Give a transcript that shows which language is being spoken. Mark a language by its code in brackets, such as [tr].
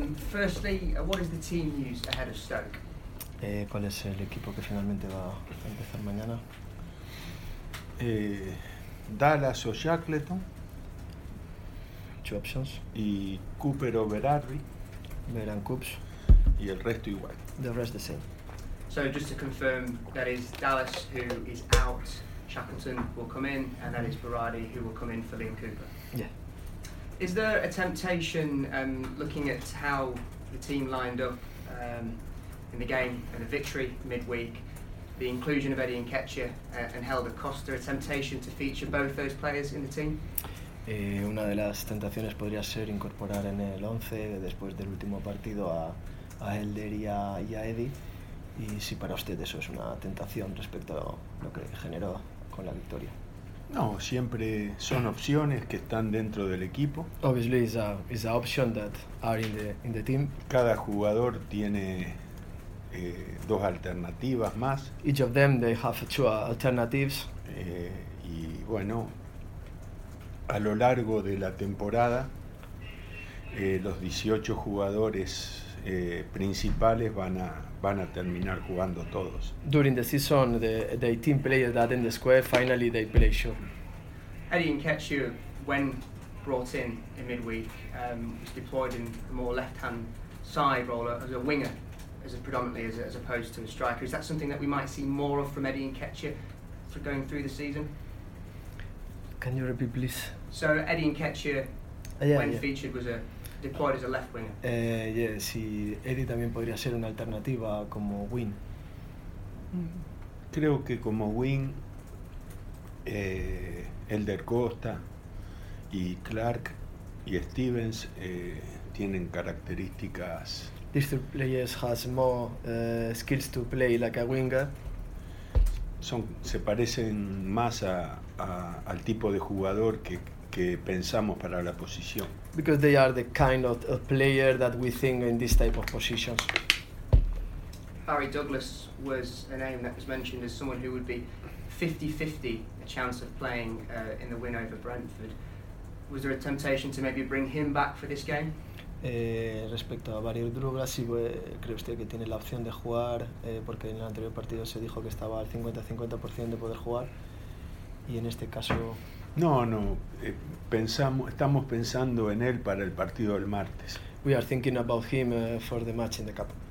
[en] Firstly, what is the team news ahead of Stoke? [es] ¿Cuál es el equipo que finalmente va a empezar mañana? Dallas o Shackleton. [en] Two options. [es] Y Cooper o Berardi. Veran Coops. Y el resto igual. [en] The rest the same. So just to confirm, that is Dallas who is out, Shackleton will come in, and that is Berardi who will come in for Liam Cooper. Yeah. Is there a temptation, looking at how the team lined up in the game and the victory midweek, the inclusion of Eddie Nketiah and Helder Costa, a temptation to feature both those players in the team? [es] Una de las tentaciones podría ser incorporar en el 11 después del último partido a Helder y a Eddie. Y si para usted eso es una tentación respecto a lo que generó con la victoria. No, siempre son opciones que están dentro del equipo. [en] Obviously, it's an option that are in the team. [es] Cada jugador tiene dos alternativas más. [en] Each of them they have two alternatives. [es] Y bueno, a lo largo de la temporada, los 18 jugadores principales van a terminar jugando todos. [en] During the season, the 18 players that in the square finally they play sure. Eddie Nketiah, when brought in midweek, was deployed in a more left-hand side role as a winger, as opposed to a striker. Is that something that we might see more of from Eddie Nketiah for going through the season? Can you repeat, please? So Eddie Nketiah, featured, was deployed as a left winger. [es] Yes, Eddie también podría ser una alternativa como wing. Creo que como wing, Helder Costa y Clark y Stevens tienen características. [en] These two players has more skills to play like a winger. [es] Se parecen más al tipo de jugador que pensamos para la posición. [en] Because they are the kind of player that we think in this type of positions. Barry Douglas was a name that was mentioned as someone who would be 50-50 a chance of playing in the win over Brentford. Was there a temptation to maybe bring him back for this game? [es] Respecto a Barry Douglas, sí, ¿cree usted que tiene la opción de jugar? Porque en el anterior partido se dijo que estaba al 50-50% de poder jugar. Y en este caso... No. Estamos pensando en él para el partido del martes. [en] We are thinking about him for the match in the cup.